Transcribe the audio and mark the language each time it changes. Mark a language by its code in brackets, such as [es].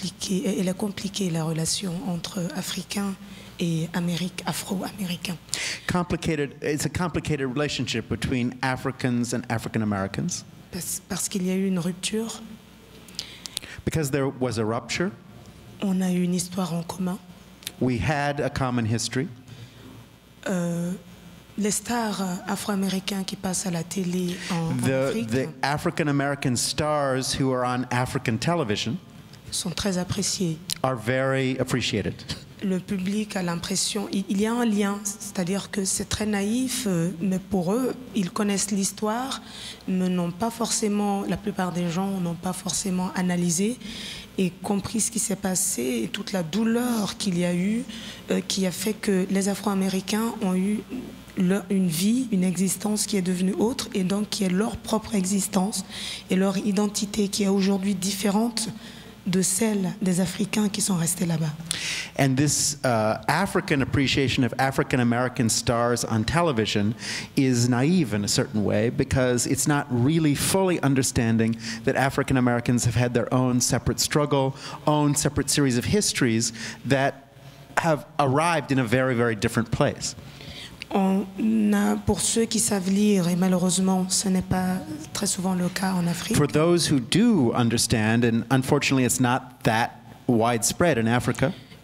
[fr] Il est compliqué la relation entre Africains et Afro-Américains. [en] Complicated. It's a complicated relationship between Africans and African Americans. [fr] Parce qu'il y a eu une rupture. [en] Because there was a rupture. [fr] On a eu une histoire en commun. [en] We had a common history. [fr] Les stars afro-américains qui passent à la télé en Afrique. [en] The African American stars who are on African television. [fr] Sont très appréciés. [en] Are very appreciated. [fr] Le public a l'impression, il y a un lien, c'est-à-dire que c'est très naïf, mais pour eux, ils connaissent l'histoire, mais n'ont pas forcément, la plupart des gens n'ont pas forcément analysé et compris ce qui s'est passé et toute la douleur qu'il y a eu, qui a fait que les Afro-Américains ont eu une vie, une existence qui est devenue autre et donc qui est leur propre existence et leur identité qui est aujourd'hui différente de celles des Africains qui sont restés là-bas. [en] And this African appreciation of African American stars on television is naive in a certain way because it's not really fully understanding that African Americans have had their own separate struggle, own separate series of histories that have arrived in a very, very different place. [fr] On a, pour ceux qui savent lire, et malheureusement, ce n'est pas très souvent le cas en Afrique. [en] For those who do understand, and unfortunately it's not that widespread in Africa.